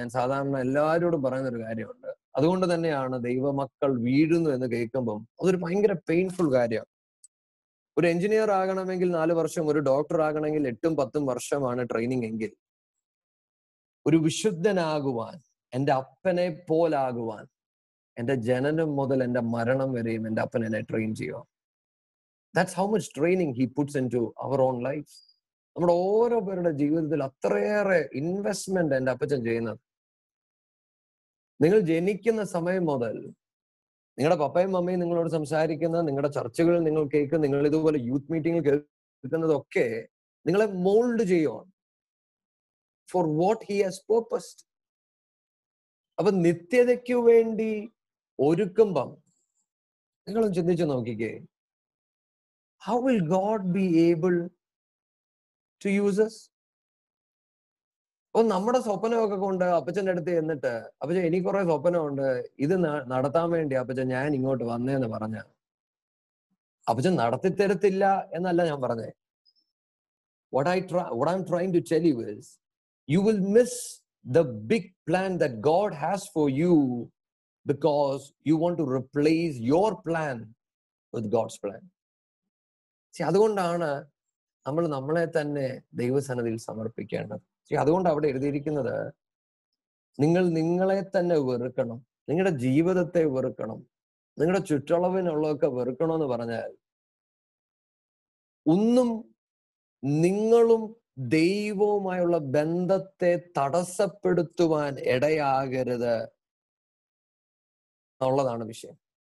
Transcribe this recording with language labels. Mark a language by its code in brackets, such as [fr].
[ml] ഞാൻ സാധാരണ എല്ലാവരോടും പറയുന്നൊരു കാര്യമുണ്ട്, അതുകൊണ്ട് തന്നെയാണ് ദൈവമക്കൾ വീഴുന്നു എന്ന് കേൾക്കുമ്പം അതൊരു ഭയങ്കര പെയിൻഫുൾ കാര്യമാണ്. ഒരു എഞ്ചിനീയർ ആകണമെങ്കിൽ 4 വർഷം, ഒരു ഡോക്ടർ ആകണമെങ്കിൽ 8 ഉം 10 ഉം വർഷമാണ് ട്രെയിനിങ് എങ്കിൽ, ഒരു വിശുദ്ധനാകുവാൻ, എൻ്റെ അപ്പനെ പോലാകുവാൻ, എൻ്റെ ജനനം മുതൽ എൻ്റെ മരണം വരെയും എൻ്റെ അപ്പൻ എന്നെ ട്രെയിൻ ചെയ്യുക. [en] That's how much training he puts into our own lives. [ml] നമ്മുടെ ഓരോ പേരുടെ ജീവിതത്തിൽ അത്രയേറെ ഇൻവെസ്റ്റ്മെന്റ് എൻ്റെ അപ്പച്ചൻ ചെയ്യുന്നത്. നിങ്ങൾ ജനിക്കുന്ന സമയം മുതൽ നിങ്ങളുടെ പപ്പയും മമ്മയും നിങ്ങളോട് സംസാരിക്കുന്ന, നിങ്ങളുടെ ചർച്ചകളിൽ നിങ്ങൾ കേൾക്കുന്ന, നിങ്ങൾ ഇതുപോലെ യൂത്ത് മീറ്റിംഗിൽ കേൾക്കുന്നതൊക്കെ നിങ്ങളെ മോൾഡ് ചെയ്യുവാണ്. [en] For what he has purposed. [ml] അപ്പൊ നിത്യതയ്ക്ക് വേണ്ടി ഒരുക്കുമ്പം നിങ്ങളും ചിന്തിച്ചു നോക്കിക്കേ, [en] How will God be able to use us? [ml] നമ്മുടെ സ്വപ്നമൊക്കെ കൊണ്ട് അപ്പച്ചൻ്റെ അടുത്ത് എന്നിട്ട്, അപ്പച്ചൻ എനിക്ക് കുറെ സ്വപ്നമുണ്ട്, ഇത് നടത്താൻ വേണ്ടി അപ്പച്ചൻ ഞാൻ ഇങ്ങോട്ട് വന്നേന്ന് പറഞ്ഞ, അപ്പച്ചൻ നടത്തിത്തരത്തില്ല എന്നല്ല ഞാൻ പറഞ്ഞേ. [en] What I'm trying to tell you is, you will miss the big plan that God has for you because you want to replace your plan with God's plan. [ml] അതുകൊണ്ടാണ് നമ്മൾ നമ്മളെ തന്നെ ദൈവസന്നിധിയിൽ സമർപ്പിക്കേണ്ടത്. അതുകൊണ്ട് അവിടെ എഴുതിയിരിക്കുന്നത്, നിങ്ങൾ നിങ്ങളെ തന്നെ വെറുക്കണം, നിങ്ങളുടെ ജീവിതത്തെ വെറുക്കണം, നിങ്ങളുടെ ചുറ്റളവിനുള്ളതൊക്കെ വെറുക്കണം എന്ന് പറഞ്ഞാൽ, ഒന്നും നിങ്ങളും ദൈവവുമായുള്ള ബന്ധത്തെ തടസ്സപ്പെടുത്തുവാൻ ഇടയാകരുത് എന്നുള്ളതാണ് വിഷയം.